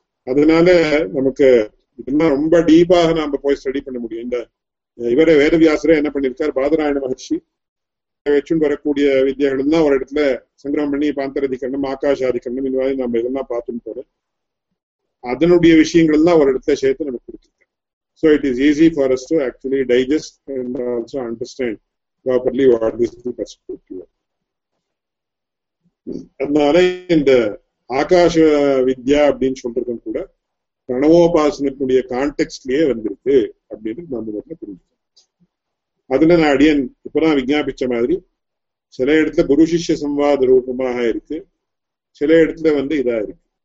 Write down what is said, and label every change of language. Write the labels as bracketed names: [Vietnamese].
[Tamil] அதனால நமக்கு இதெல்லாம் ரொம்ப டீப்பாக நாம போய் ஸ்டடி பண்ண முடியும். இந்த இவர வேதவியாசரே என்ன பண்ணிருக்காரு, பாதராயண மகர்ஷி வச்சுன்னு வரக்கூடிய வித்யைகள் தான் ஒரு இடத்துல சங்கிரம் பண்ணி பாந்தரதிகரணம் ஆகாஷாதிகரணம் இந்த மாதிரி நம்ம இதெல்லாம் பார்த்துட்டு அதனுடைய விஷயங்கள் தான் ஒரு இடத்துல சேர்த்து நம்ம கொடுத்துருக்கோம். [English] So it is easy for us to actually digest and also understand properly what this is the perspective. [Tamil] அதனால இந்த ஆகாஷ வித்யா அப்படின்னு சொல்றதும் கூட பிரணவோபாசனத்துடைய கான்டெக்ட்லயே வந்திருக்கு அப்படின்னு நம்ம புரிஞ்சுக்கோம். அதுல நான் அடியன் இப்பதான் விஜாபிச்ச மாதிரி சில இடத்துல குரு சிஷ்ய சம்வாத ரூபமாக இருக்கு, சில இடத்துல வந்து இதா இருக்கு.